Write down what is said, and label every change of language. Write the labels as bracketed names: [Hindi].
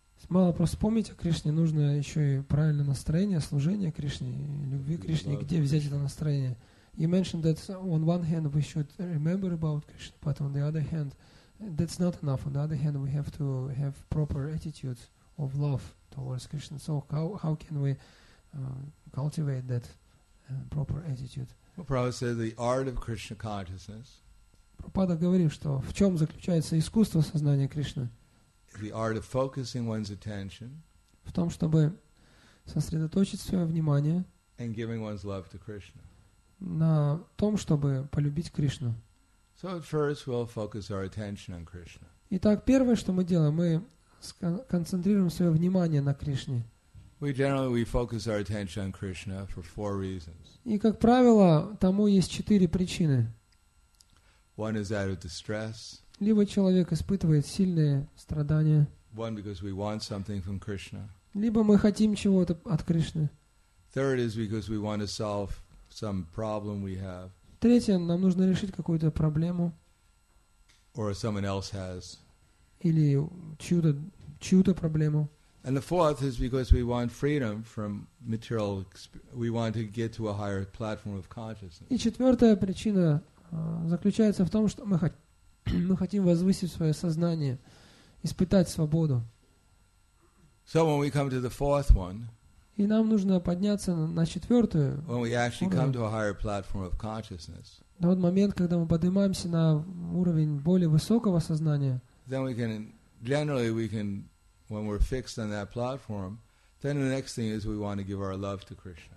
[Russian] Мало просто помнить о Кришне, нужно еще и правильное настроение, служение Кришне, любви к Кришне, где взять это настроение. [English] You mentioned that on one hand we should remember about Krishna, but on the other hand, that's not enough. On the other hand, we have to have proper attitude of love towards Krishna. So how can we cultivate that proper attitude? Well, Prabhupada said the art of Krishna consciousness. [Russian] Прабхупада говорит, что в чем заключается искусство сознания Кришны. [English] The art of focusing one's attention, [Russian] в том, чтобы сосредоточить свое внимание, [English] and giving one's love to Krishna, [Russian] на том, чтобы полюбить Кришну. [English] So at first we'll focus our attention on Krishna. [Russian] Итак, первое, что мы делаем, мы концентрируем свое внимание на Кришне. [English] We generally we focus our attention on Krishna for four reasons. [Russian] И как правило, тому есть четыре причины. [English] One is out of distress. [Russian] Либо человек испытывает сильные страдания. [English] One, because we want something from Krishna. [Russian] Либо мы хотим чего-то от Кришны. [English] Third is because we want to solve some problem we have. [Russian] Третье, нам нужно решить какую-то проблему. [English] Or someone else has. [Russian] Или чью-то проблему. [English] And the fourth is because we want freedom from material experience. We want to get to a higher platform of consciousness. [Russian] И четвертая причина заключается в том, что мы хотим возвысить свое сознание испытать свободу. [English] So when we come to the fourth one, [Russian] и нам нужно подняться на четвертую. [English] When we actually come to a higher platform of consciousness. [Russian] На тот момент, когда мы поднимаемся на уровень более высокого сознания. [English] Then we can, generally we can, when we're fixed on that platform, then the next thing is we want to give our love to Krishna.